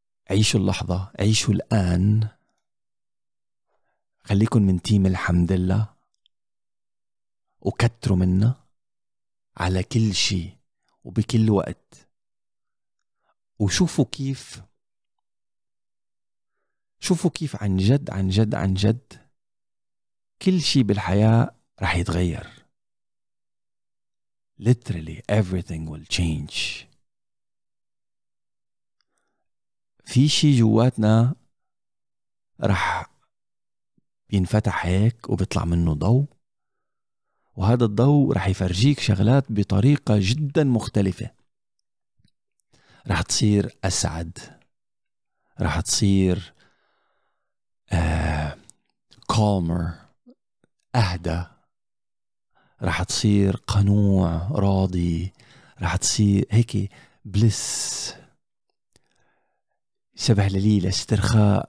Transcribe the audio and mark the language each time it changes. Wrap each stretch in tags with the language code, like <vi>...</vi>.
<ar>عيشوا اللحظة، عيشوا الآن، خليكن من تيم الحمد لله وكتروا منا على كل شيء وبكل وقت، وشوفوا كيف، شوفوا كيف عن جد عن جد عن جد كل شيء بالحياة رح يتغير.</ar> <en>Literally everything will change.</en> <ar>في شيء جواتنا رح بينفتح هيك وبيطلع منه ضوء، وهذا الضوء رح يفرجيك شغلات بطريقة جدا مختلفة. رح تصير أسعد، رح تصير calmer، أهدى، رح تصير قنوع راضي، رح تصير هيك بلس، سبح لليل، استرخاء.</ar>